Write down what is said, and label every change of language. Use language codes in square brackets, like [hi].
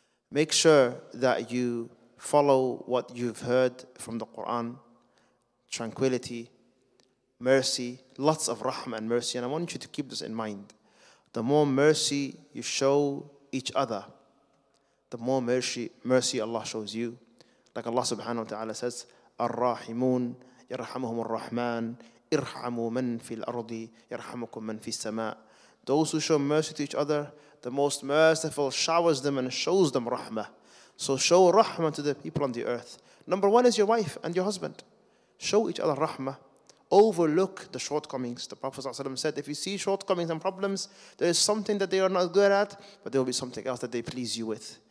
[en] Make sure that you follow what you've heard from the Quran, tranquility, mercy, lots of rahmah and mercy. And I want you to keep this in mind. The more mercy you show each other, the more mercy Allah shows you. [ar] Like Allah subhanahu wa ta'ala says, الرحمون يرحمهم الرحمن ارحموا من في الأرض يرحمكم من في السماء. [en] Those who show mercy to each other, the most merciful showers them and shows them rahmah. So show rahmah to the people on the earth. Number one is your wife and your husband. Show each other rahmah. Overlook the shortcomings. The Prophet ﷺ said, if you see shortcomings and problems, there is something that they are not good at, but there will be something else that they please you with.